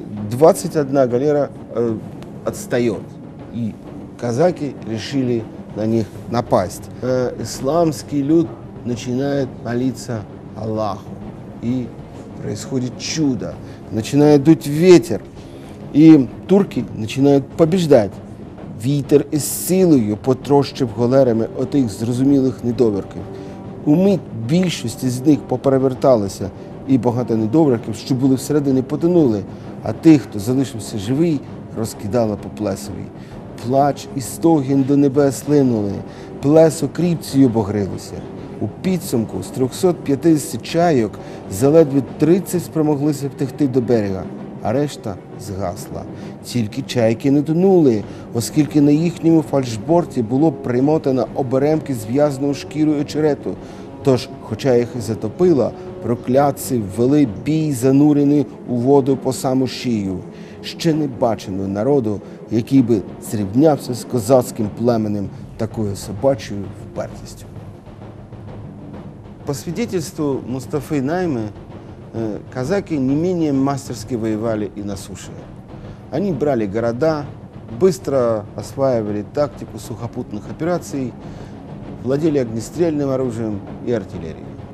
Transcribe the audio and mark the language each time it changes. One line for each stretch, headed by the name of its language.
Russian: 21 галера отстает, и казаки решили на них напасть. Исламский люд начинает молиться Аллаху, и происходит чудо. Начинает дуть ветер, и турки начинают побеждать.
Ukrainian: Вітер із силою потрощив галерами отих зрозумілих недовірків. Умить більшість з них поперверталася, і багато недовірків, що були всередині, потонули, а тих, хто залишився живий, розкидало по плесові. Плач і стогін до небес линули, плесо кріпцію обогрілося. У підсумку з 350 чайок заледве 30 спромоглися втекти до берега, а решта згасла. Тільки чайки не тонули, оскільки на їхньому фальшборті було примотано оберемки зв'язаною шкірою очерету. Тож, хоча їх і затопило, прокляці ввели бій, занурений у воду по саму шию. Ще не бачено народу, який би зрівнявся з козацьким племенем такою собачою впертістю.
Russian: По свидетельству Мустафи Найми, казаки не менее мастерски воевали и на суше. Они брали города, быстро осваивали тактику сухопутных операций, владели огнестрельным оружием и артиллерией.